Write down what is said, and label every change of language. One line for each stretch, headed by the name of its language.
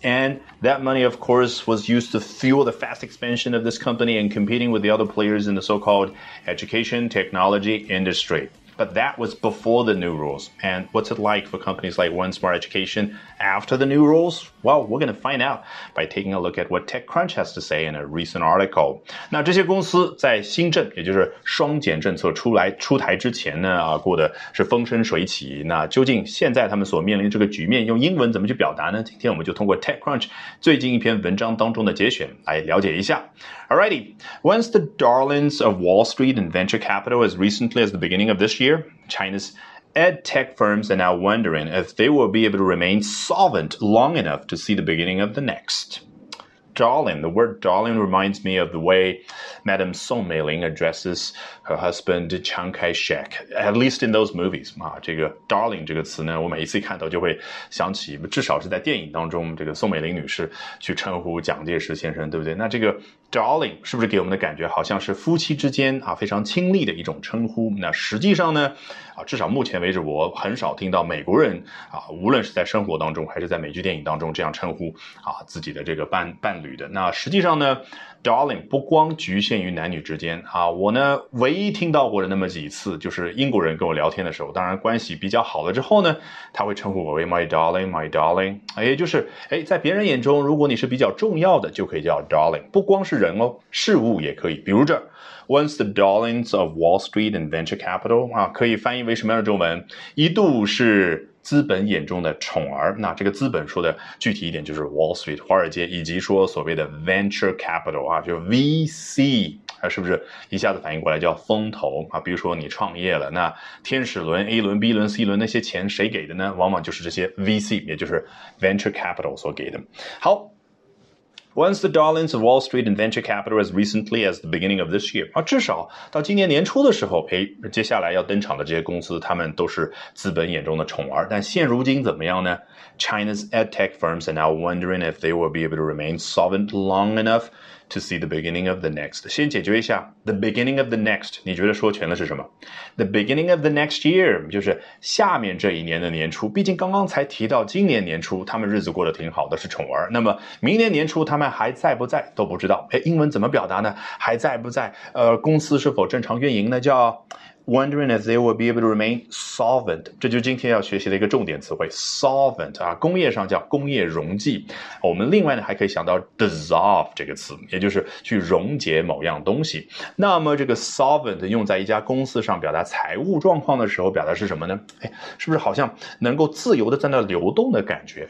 English: And that money, of course, was used to fuel the fast expansion of this company and competing with the other players in the so-called education technology industry. But that was before the new rules. And what's it like for companies like One Smart Education after the new rules? Well, we're going to find out by taking a look at what TechCrunch has to say in a recent article.
Chinese: 那这些公司在新政，也就是双减政策出台之前呢，过得是风生水起。那究竟现在他们所面临这个局面，用英文怎么去表达呢？今天我们就通过 TechCrunch 最近一篇文章当中的节选来了解一下。
English: Alrighty, once the darlings of Wall Street and venture capital as recently as the beginning of this year, China's ed tech firms are now wondering if they will be able to remain solvent long enough to see the beginning of the next. Darling, the word darling reminds me of the way Madam Song Meiling addresses her husband Chiang Kai-shek, at least in those movies.
Chinese: 啊，这个 darling 这个词呢，我每一次看到就会想起，至少是在电影当中，这个宋美龄女士去称呼蒋介石先生，对不对？那这个 darling 是不是给我们的感觉好像是夫妻之间啊非常亲密的一种称呼？那实际上呢，啊，至少目前为止，我很少听到美国人啊，无论是在生活当中还是在美剧电影当中这样称呼啊自己的这个伴侣的。那实际上呢 ，darling 不光局限于男女之间啊，我呢唯一听到过的那么几次，就是英国人跟我聊天的时候，当然关系比较好了之后呢，他会称呼我为
English: my darling，
Chinese: 也就是哎，在别人眼中，如果你是比较重要的，就可以叫 darling， 不光是人哦，事物也可以，比如这儿。
English: Once the darlings of Wall Street and venture capital
Chinese: 啊，可以翻译为什么样的中文？一度是资本眼中的宠儿。那这个资本说的具体一点就是 Wall Street 华尔街，以及说所谓的 venture capital 啊，就 VC 啊，是不是一下子反应过来叫风投啊？比如说你创业了，那天使轮 A 轮 B 轮 C 轮那些钱谁给的呢？往往就是这些 VC， 也就是 venture capital 所给的。好。
English: Once the darlings of Wall Street and venture capital as recently as the beginning of this year.
Chinese: 啊，至少到今年年初的时候，哎，接下来要登场的这些公司，他们都是资本眼中的宠儿。但现如今怎么样呢？
English: China's edtech firms are now wondering if they will be able to remain solvent long enough to see the beginning of the next.
Chinese: 先解决一下
English: the beginning of the next.
Chinese: 你觉得说全的是什么？
English: The beginning of the next year
Chinese: 就是下面这一年的年初。毕竟刚刚才提到今年年初，他们日子过得挺好的，是宠儿。那么明年年初他们还在不在都不知道。哎，英文怎么表达呢？还在不在？公司是否正常运营呢？
English: 叫 wondering if they will be able to remain solvent.
Chinese: 这就是今天要学习的一个重点词汇 solvent 啊，工业上叫工业溶剂。我们另外呢还可以想到 dissolve 这个词，也就是去溶解某样东西。那么这个 solvent 用在一家公司上表达财务状况的时候，表达是什么呢？哎，是不是好像能够自由的在那流动的感觉？